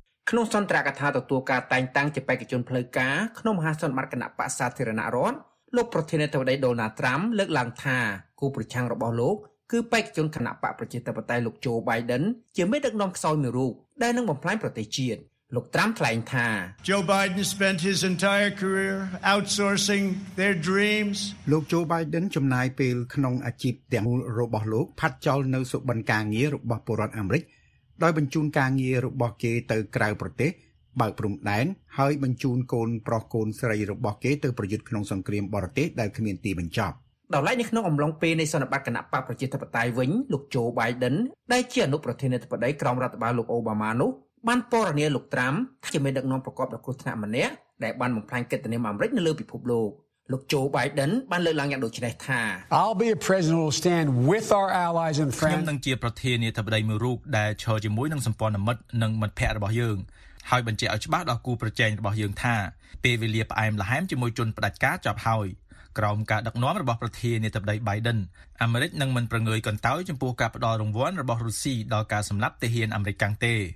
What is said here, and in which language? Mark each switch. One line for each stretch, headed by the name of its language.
Khmer: ក្នុងសន្ទរកថាទទួលការតែងតាំងជាបេក្ខជនផ្លូវការក្នុងមហាសន្និបាតគណៈបក្សសាធារណរដ្ឋលោកប្រធានាធិបតីដូណាល់ត្រាំលើកឡើងថាគូប្រឆាំងរបស់លោកគឺបេក្ខជនគណៈបកប្រជាធិបតេយ្យលោកជូបៃដិនជាមេដឹកនាំខ្សោយមួយរូបដែលនឹងបំផ្លាញប្រទេសជាតិលោកត្រាំថ្លែងថា
English: Joe Biden spent his entire career outsourcing their dreams
Khmer: លោកជូបៃដិនចំណាយពេលក្នុងអាជីពទាំងមូលរបស់លោកផាត់ចោលនៅសុបិនការងាររបស់ពលរដ្ឋអាមេរិកដោយបញ្ជូនការងាររបស់គេទៅក្រៅប្រទេសបើកព្រំដែនហើយបញ្ជូនកូនប្រុសកូនស្រីរបស់គេទៅប្រយុទ្ធក្នុងសង្គ្រាមបរទេសដែលគ្មានទីបញ្ចប់ ដល់ឡែកនេះក្នុងអំឡុងពេលនៃសន្និបាតគណៈបកប្រជាធិបតេយ្យវិញលោកជូបៃដិនដែលជាអនុប្រធានាធិបតីក្រោមរដ្ឋបាលលោកអូបាម៉ានោះបានពណ៌នាលោកត្រាំថាជាមេដឹកនាំប្រកបដោយគ្រោះថ្នាក់ម្នាក់ដែលបានបំផ្លាញកិត្តិនាមអាមេរិកនៅលើពិភពលោកលោកជូបៃដិនបានលើកឡើងយ៉ាងដូចនេះថា
English: I'll be a president who will stand with our allies and friends
Khmer: ខ្ញុំនឹងជាប្រធានាធិបតីមួយរូបដែលឈរជាមួយនឹងសម្ព័ន្ធមិត្តនិងមិត្តភ័ក្តិរបស់យើងហើយបញ្ជាក់ឲ្យច្បាស់ដល់គូប្រជែងរបស់យើងថាពេលវេលាផ្អែមល្ហែមជាមួយជនផ្ដាច់ការចាប់ហើយក្រោមការដឹកនាំរបស់ប្រធានាធិបតី Biden អាមេរិកនឹងមិនប្រងើយកន្តើយចំពោះការផ្តល់រង្វាន់របស់រុស្ស៊ីដល់ការសម្លាប់ទាហានអាមេរិកកាំងទេ